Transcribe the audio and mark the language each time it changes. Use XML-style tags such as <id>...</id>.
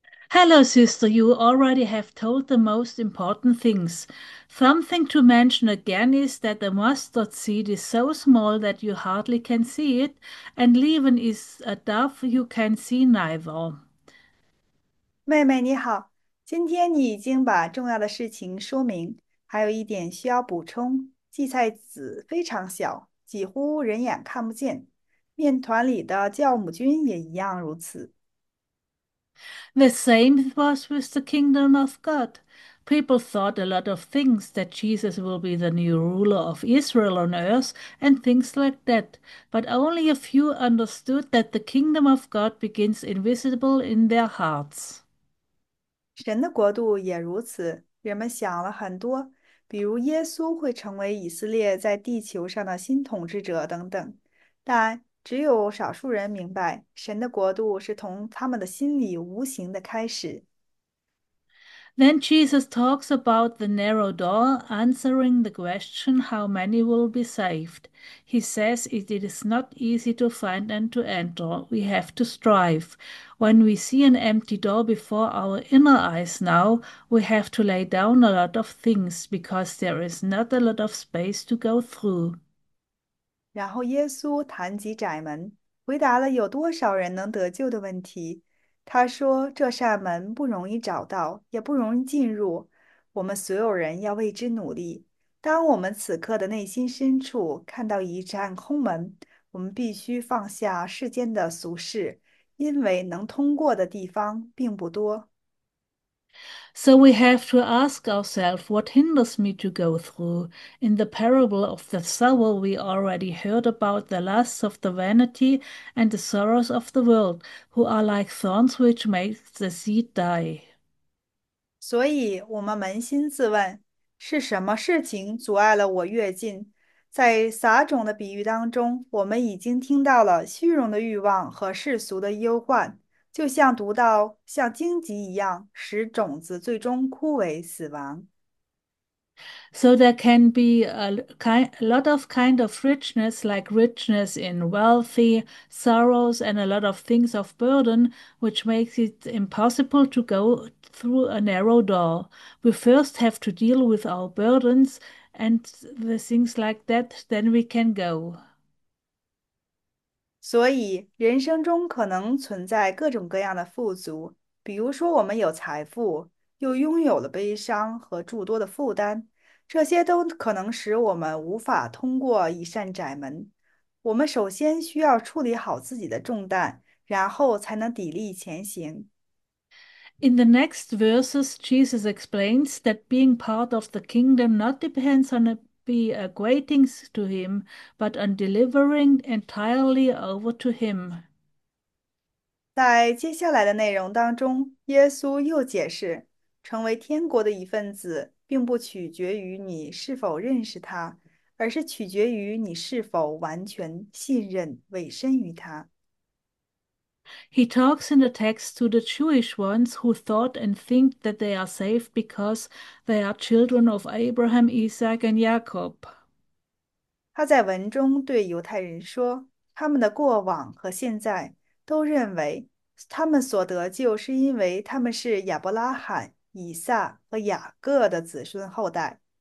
<en>Hello, sister. You already have told the most important things. Something to mention again is that the mustard seed is so small that you hardly can see it, and leaven is a dove you can see neither.</en> <zh>妹妹你好，今天你已经把重要的事情说明，还有一点需要补充。荠菜籽非常小，几乎人眼看不见，面团里的酵母菌也一样如此。</zh> <en>The same was with the kingdom of God. People thought a lot of things that Jesus will be the new ruler of Israel on earth and things like that, but only a few understood that the kingdom of God begins invisible in their hearts.</en> <zh>神的国度也如此，人们想了很多，比如耶稣会成为以色列在地球上的新统治者等等。但只有少数人明白，神的国度是从他们的心里无形的开始。</zh> <en>Then Jesus talks about the narrow door, answering the question how many will be saved. He says it is not easy to find and to enter. We have to strive. When we see an empty door before our inner eyes now, we have to lay down a lot of things because there is not a lot of space to go through.</en> <zh>然后耶稣谈及窄门，回答了有多少人能得救的问题。他说：“这扇门不容易找到，也不容易进入。我们所有人要为之努力。当我们此刻的内心深处看到一扇空门，我们必须放下世间的俗事，因为能通过的地方并不多。”</zh> <en>So we have to ask ourselves what hinders me to go through. In the parable of the sower, we already heard about the lusts of the vanity and the sorrows of the world, who are like thorns which make the seed die.</en> <zh>所以，我们扪心自问，是什么事情阻碍了我跃进？在撒种的比喻当中，我们已经听到了虚荣的欲望和世俗的忧患，就像读到像荆棘一样，使种子最终枯萎死亡。</zh> <en>So there can be a lot of richness, like richness in wealthy sorrows and a lot of things of burden, which makes it impossible to go through a narrow door. We first have to deal with our burdens and the things like that, then we can go.</en> <zh>所以，人生中可能存在各种各样的富足，比如说我们有财富，又拥有了悲伤和诸多的负担，这些都可能使我们无法通过一扇窄门。我们首先需要处理好自己的重担，然后才能砥砺前行。</zh> <en>In the next verses, Jesus explains that being part of the kingdom not depends on be equating to him, but on delivering entirely over to him.</en> <zh>在接下来的内容当中，耶稣又解释，成为天国的一份子，并不取决于你是否认识他，而是取决于你是否完全信任、委身于他。</zh> <en>He talks in the text to the Jewish ones who thought and think that they are safe because they are children of Abraham, Isaac, and Jacob.</en> <zh>他在文中对犹太人说，他们的过往和现在都认为。他们所得救是因为他们是亚伯拉罕、以撒和雅各的子孙后代。</zh>